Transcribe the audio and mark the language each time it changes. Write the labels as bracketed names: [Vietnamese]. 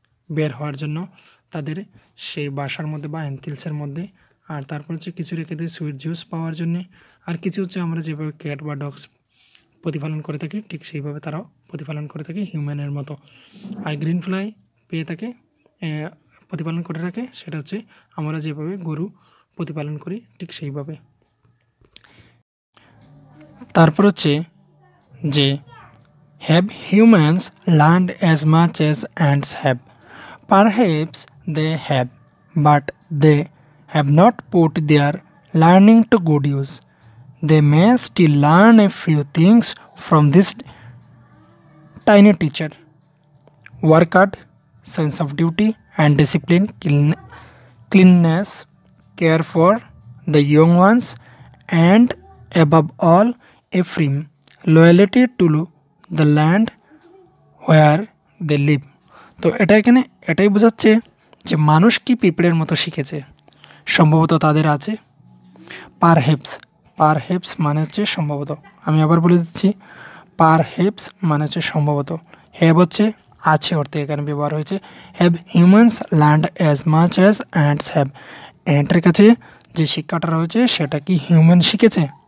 [Bangla] বের হওয়ার জন্য তাদের সেই বাসার মধ্যে বা অ্যান্টিলসের মধ্যে, আর তারপর হচ্ছে কিছু রেখে দেয় সুইট জুস পাওয়ার জন্যে, আর কিছু হচ্ছে আমরা যেভাবে ক্যাট বা ডগস প্রতিপালন করে থাকি ঠিক সেইভাবে তারাও প্রতিপালন করে থাকে হিউম্যানের মতো। আর গ্রিন ফ্লাই পেয়ে থাকে প্রতিপালন করে রাখে সেটা হচ্ছে আমরা যেভাবে গরু প্রতিপালন করি ঠিক সেইভাবে। তারপর হচ্ছে যে [English] Have humans learned as much as ants have? Perhaps they have, but they have not put their learning to good use. They may still learn a few things from this tiny teacher. Work hard, sense of duty and discipline, cleanliness, care for the young ones, and above all, a firm loyalty to the land where they live. [Bangla] তো এটা এখানে এটাই বোঝাচ্ছে যে মানুষ কি পিঁপড়ের মতো শিখেছে, সম্ভবত তাদের আছে। পারহ্যাপস, পারহ্যাপস মানে হচ্ছে সম্ভবত। আমি আবার বলে দিচ্ছি, পারহ্যাপস মানে হচ্ছে সম্ভবত। হ্যাব হচ্ছে আছে অর্থে এখানে ব্যবহার হয়েছে। [English] have humans learned as much as ants have, [Bangla] অ্যান্টের কাছে যে শিক্ষাটা রয়েছে সেটা কি হিউম্যান শিখেছে?